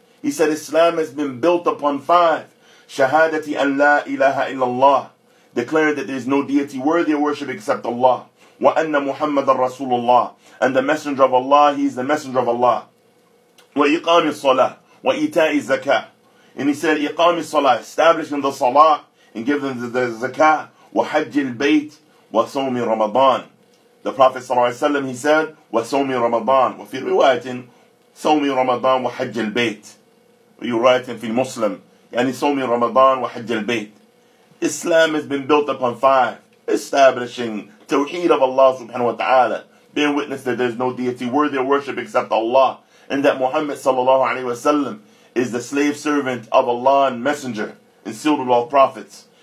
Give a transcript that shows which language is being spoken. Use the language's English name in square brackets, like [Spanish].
[English] He said, Islam has been built upon five. [Arabic] شَهَادَةِ أَنْ لَا إِلَهَ إِلَّا اللَّهِ, [English] declared that there is no deity worthy of worship except Allah. [Arabic] وَأَنَّ مُحَمَّدًا رَسُولُ اللَّهِ, [English] and the Messenger of Allah, he is the Messenger of Allah. [Arabic] وَإِقَامِ الصَّلَاةِ وَإِتَاءِ الزَّكَاةِ. [English] And he said, [Arabic] إِقَامِ الصَّلَاةِ, [English] establishing the salah and giving the zakah. [Arabic] وَحَجِّ الْبَيْتِ وَصَوْمِ رَمَضَانِ. [English] The Prophet sallallahu alaihi wasallam, he said, [Arabic] وَصَوْمِ رَمَضَانِ وَفِي رِوَايَةٍ صَوْمِ رَمَضَانِ وَحَجِّ الْبَيْتِ. [English] You write in fil Muslim, [Arabic] يعني صَوْمِ رَمَضَانِ وَحَجِّ الْبَيْتِ. [English] Islam has been built upon five, establishing tawheed of Allah subhanahu wa ta'ala, being witness that there is no deity worthy of worship except Allah, and that Muhammad sallallahu alaihi wasallam is the slave servant of Allah and messenger, and sealed with all prophets.